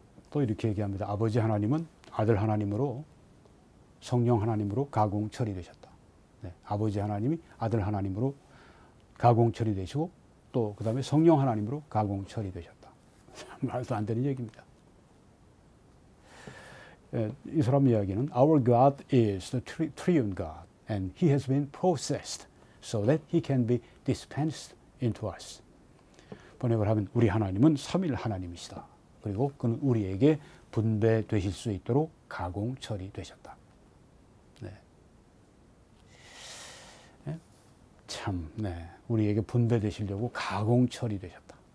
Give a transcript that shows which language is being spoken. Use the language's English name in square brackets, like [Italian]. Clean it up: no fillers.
[Korean] 또 이렇게 얘기합니다. 아버지 하나님은 아들 하나님으로 성령 하나님으로 가공 처리되셨다. 아버지 하나님이 아들 하나님으로 가공 처리되시고 또그 다음에 성령 하나님으로 가공 처리되셨다. 말도 안 되는 얘기입니다. 이 사람 이야기는 [English] Our God is the triune God and he has been processed so that he can be dispensed into us. [Korean] 번역을 하면 우리 하나님은 삼일 하나님이시다. 그리고 그는 우리에게 분배되실 수 있도록 가공 처리되셨다. 참, 우리에게 분배되시려고 가공 처리되셨다.